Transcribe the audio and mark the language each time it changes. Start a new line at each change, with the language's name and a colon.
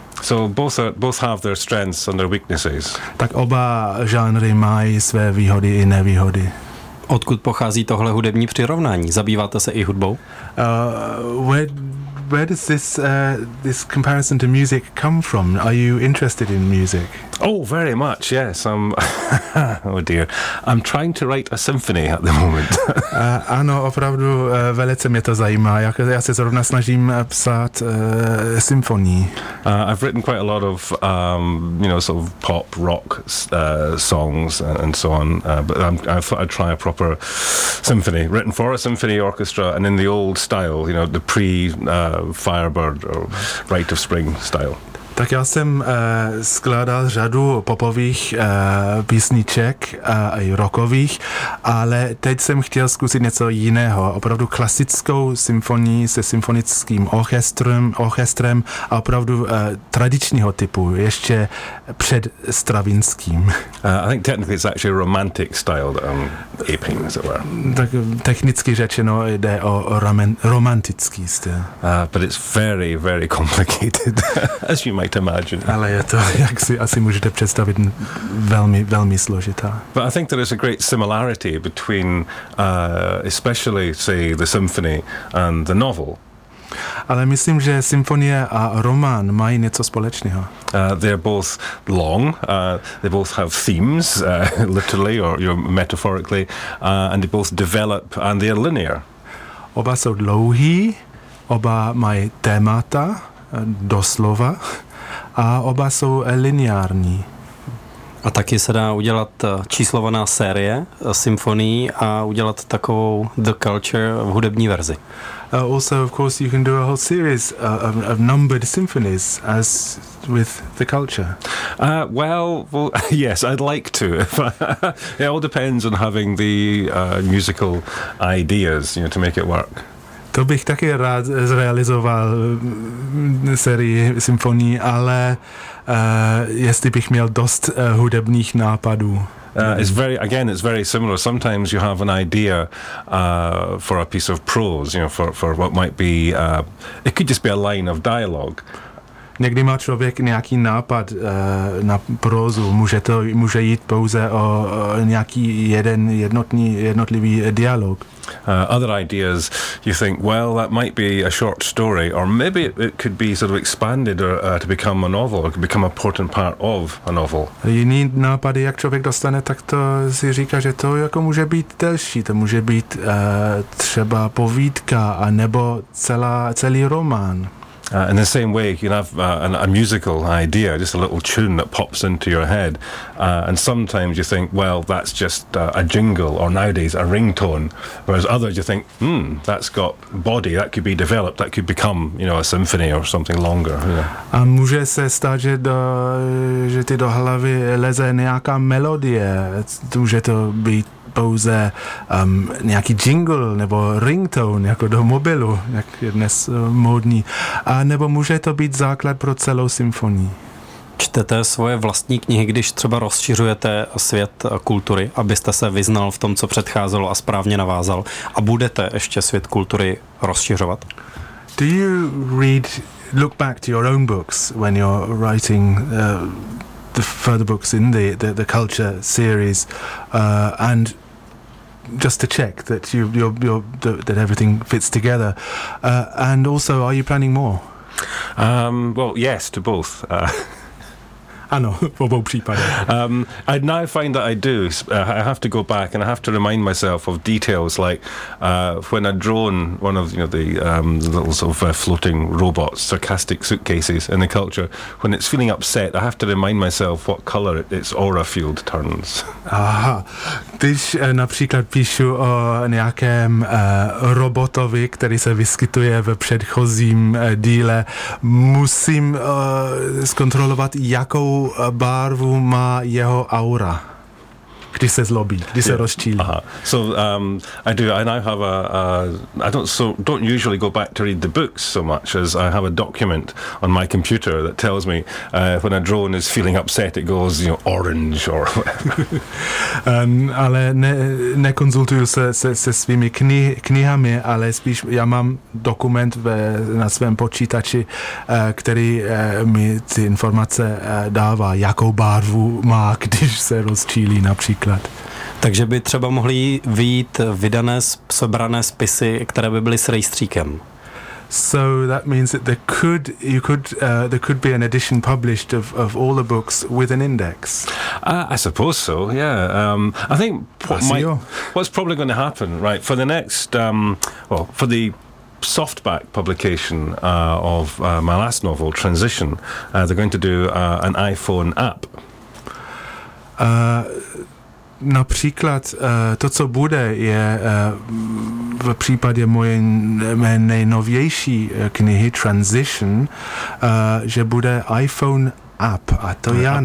English: So both have their strengths and their weaknesses.
Czech: Tak oba žánry mají své výhody i nevýhody. Odkud pochází tohle hudební přirovnání? Zabýváte se i hudbou?
English: Where does this comparison to music come from? Are you interested in music? Oh, very much. Yes, I'm oh dear. I'm trying to write a symphony at the moment.
Czech: ano, opravdu velice mě to zajímá. Já se zrovna snažím psát symfonii.
English: I've written quite a lot of sort of pop rock songs and so on, but I thought I'd try a proper symphony, written for a symphony orchestra and in the old style, you know, the pre Firebird or Rite of Spring style.
Czech: Tak já jsem skládal řadu popových písniček i rockových, ale teď jsem chtěl zkusit něco jiného, opravdu klasickou symfonii se symfonickým orchestrem a opravdu tradičního typu, ještě před Stravinským.
English: I think technically it's actually a romantic style that I'm aping, as it were.
Czech: Tak technicky řečeno jde o romantický styl.
English: But it's very, very complicated, as you might imagine.
Czech: Ale je to, jak si asi můžete představit, velmi, velmi složitá.
English: But I think there is a great similarity between, especially, say, the symphony and the novel.
Czech: Ale myslím, že symfonie a román mají něco společného.
English: They're both long, they both have themes, literally or metaphorically, and they both develop and they're linear.
Czech: Oba jsou dlouhý, oba mají témata, doslova, a oba jsou lineární. A taky se dá udělat číslovaná série symfonií a udělat takovou The Culture v hudební verzi.
English: Also, of course, you can do a whole series of numbered symphonies as with The Culture. Well, yes, I'd like to. It all depends on having the musical ideas, you know, to make it work.
Czech: To bych taky rád zrealizoval sérii symfonií, ale jestli bych měl dost hudebních nápadů.
English: It's very similar. Sometimes you have an idea for a piece of prose, you know, for what might be, it could just be a line of dialogue.
Czech: Někdy má člověk nějaký nápad na prózu, může jít pouze o nějaký jednotlivý dialog.
English: Other ideas, you think, well, that might be a short story, or maybe it could be sort of expanded or, to become a novel, or could become a important part of a novel.
Czech: Jiný nápady, jak člověk dostane, tak to si říká, že to jako může být delší, to může být třeba povídka, a nebo celý román.
English: In the same way, you can have a musical idea, just a little tune that pops into your head, and sometimes you think, well, that's just a jingle, or nowadays a ringtone, whereas others you think, that's got body, that could be developed, that could become, you know, a symphony or something longer.
Czech: A může se stát, že ty do hlavy leze nějaká melodie, může to být pouze nějaký jingle nebo ringtone, jako do mobilu, jak je dnes módní. A nebo může to být základ pro celou symfonii. Čtete svoje vlastní knihy, když třeba rozšiřujete svět kultury, abyste se vyznal v tom, co předcházelo a správně navázal. A budete ještě svět kultury rozšiřovat?
English: Do you read, look back to your own books when you're writing the further books in the culture series, and just to check that that everything fits together, and also, are you planning more? Well, yes, to both.
Czech: Ano, v obou případech.
English: I now find that I do. I have to go back and I have to remind myself of details, like when a drone, one of, you know, the little sort of floating robots, sarcastic suitcases in the culture, when it's feeling upset, I have to remind myself what color its aura field turns. Aha.
Czech: Když například píšu o nějakém robotovi, který se vyskytuje ve předchozím díle, musím zkontrolovat, jakou barvu má jeho aura, když se zlobí, když se rozčílí.
English: Aha. So I do. I now have a. I don't usually go back to read the books so much as I have a document on my computer that tells me when a drone is feeling upset, it goes, you know, orange or whatever.
Czech: Ale nekonzultuju se svými knihami, ale spíš já mám dokument na svém počítači, který mi ty informace dává, jakou barvu má, když se rozčílí například. Takže by třeba mohly vyjít vydané, sebrané spisy, které by byly s rejstříkem.
English: So that means that there could be an edition published of all the books with an index. I suppose so. Yeah. I think what's probably going to happen, right, for the next for the softback publication of my last novel, Transition, they're going to do an iPhone app.
Czech: Například to, co bude, je v případě moje nejnovější knihy Transition, že bude iPhone app, a to já